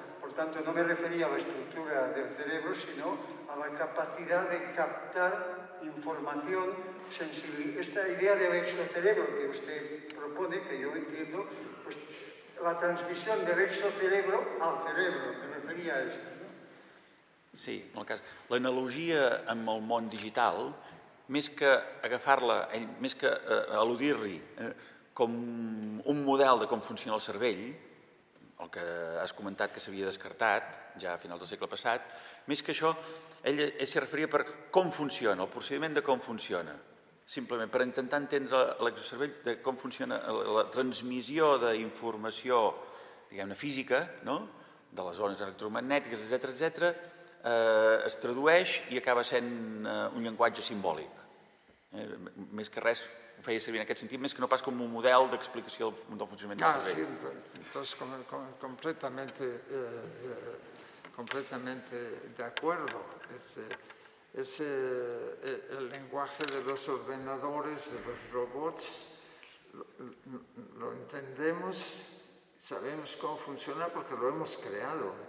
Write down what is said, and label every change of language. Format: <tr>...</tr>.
<es>Por tanto, no me refería a la estructura del cerebro, sino a la capacidad de captar información sensible. Esta idea del exocerebro que usted propone, que yo entiendo, pues la transmisión del exocerebro al cerebro, me refería a esto, ¿no?</es> <ca>Sí, en el cas, l'analogia amb el món digital, més que agafar-la, més que al·ludir-li, com un model de com funciona el cervell, el que has comentat que s'havia descartat ja a finals del segle passat, més que això, ell s'hi referia per com funciona, el procediment de com funciona. Simplement per intentar entendre l'exocervell de com funciona la transmissió d'informació, diguem-ne, física, no? De les ones electromagnètiques, etc, etc, es tradueix i acaba sent un llenguatge simbòlic. Més que res ho feia servir en aquest sentit, més que no pas com un model d'explicació del funcionament del cervell.</ca> <es>Ah, sí, entonces, completamente de acuerdo. Es el lenguaje de los ordenadores, de los robots, lo entendemos, sabemos cómo funciona porque lo hemos creado.</es>